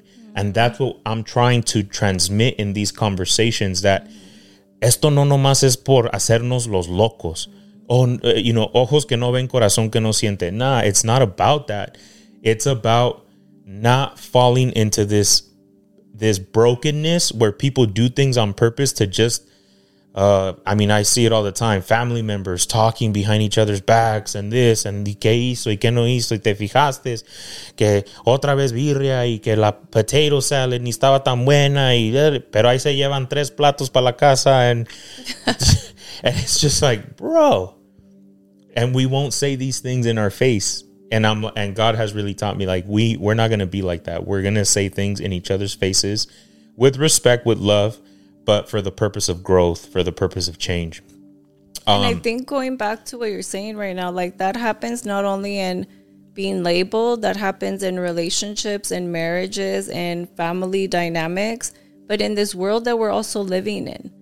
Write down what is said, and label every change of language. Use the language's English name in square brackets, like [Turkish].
[English] Mm-hmm. And that's what I'm trying to transmit in these conversations, that [Spanish] esto no nomás es por hacernos los locos. [English] Oh, you know, [Spanish] ojos que no ven, corazón que no siente. [English] Nah, it's not about that. It's about not falling into this brokenness where people do things on purpose to just, I mean, I see it all the time. Family members talking behind each other's backs and this [Spanish] and que hizo y que no hizo y te fijaste que otra vez birria y que la potato salad ni estaba tan buena y pero ahí se llevan tres platos para la casa [English] and and it's just like, bro. And we won't say these things in our face. And God has really taught me, like, we're not going to be like that. We're going to say things in each other's faces with respect, with love, but for the purpose of growth, for the purpose of change. And I think going back to what you're saying right now, like, that happens not only in being labeled, that happens in relationships and marriages and family dynamics, but in this world that we're also living in.